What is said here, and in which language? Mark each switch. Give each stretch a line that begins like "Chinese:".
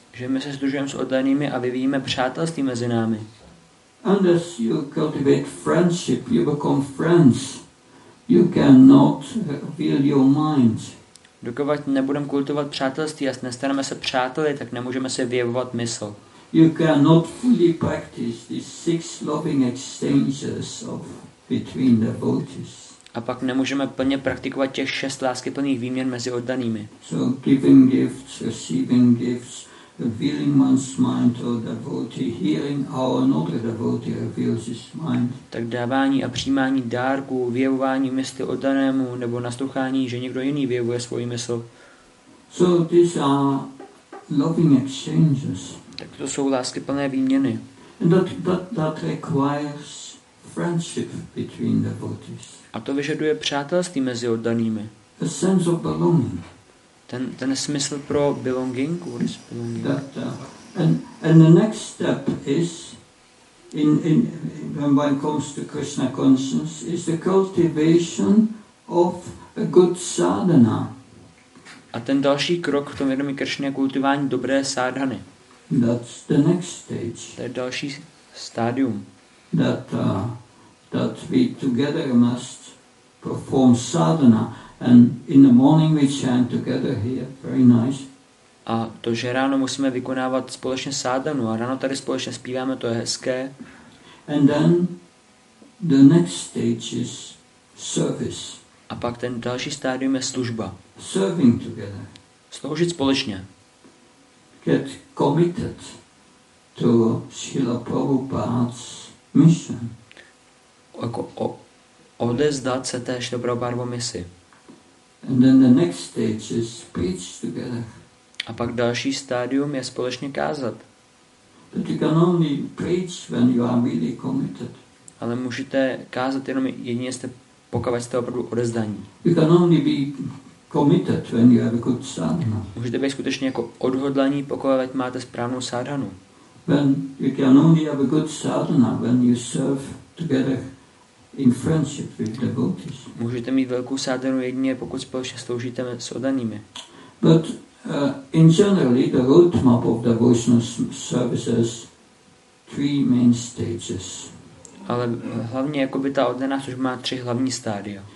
Czech: Že my se sdružujeme s oddanými a vyvíjíme přátelství mezi námi.
English: And as you cultivate friendship, you become friends. You cannot reveal your mind.
Czech: Dokud nebudeme kultivovat přátelství a nestaneme se přáteli, tak nemůžeme se vyjevovat mysl.
English: You cannot fully practice these six loving exchanges of between the devotees.
Czech: A pak nemůžeme plně praktikovat těch šest láskyplných výměn mezi oddanými.
English: So giving gifts, receiving gifts, revealing one's mind to the devotee, hearing how another devotee reveals his mind.
Czech: Tak dávání a přijímání dárků, vyjevování mysli oddanému nebo naslouchání, že někdo jiný vyjevuje svůj mysl.
English: So these are loving exchanges.
Czech: Tak to jsou láskyplné výměny.
English: And that requires friendship between the devotees.
Czech: A to vyžaduje přátelství mezi oddanými.
English: A sense of belonging.
Czech: Ten smysl pro
English: belonging, what is belonging? That, and the next step is when one comes to Krishna consciousness is the cultivation of a good sadhana.
Czech: A ten další krok v tom vědomí Krishna je kultivování dobré sádhany.
English: That's the next stage.
Czech: To je další stádium.
English: That we together must perform sadhana, and in the morning we chant together here, very nice.
Czech: A to, že ráno musíme vykonávat společně sádhanu a ráno tady společně zpíváme, to je hezké.
English: And then the next stage is service.
Czech: A pak ten další stádium je služba.
English: Serving together.
Czech: Sloužit společně.
English: Get committed to Srila Prabhupada's mission.
Czech: Odezdat se té Srila Prabhupádovo misi.
English: And then the next stage is speech together.
Czech: A pak další stádium je společně kázat.
English: But you can only preach when you are really committed.
Czech: Ale můžete kázat jenom jedině jste pokud jste opravdu odezdaní.
English: You can only be committed when you have a good sadhana.
Czech: Můžete být skutečně jako odhodlaní, pokud máte správnou sadhanu.
English: When you can only have a good sadhana when you serve together. In friendship with devotees.
Czech: Můžete mít velkou sádhanu jedině, pokud společně sloužíte s oddanými.
English: But in generally, the roadmap of devotional services three main stages.
Czech: Ale hlavně jakoby ta oddaná služba má tři hlavní stádia.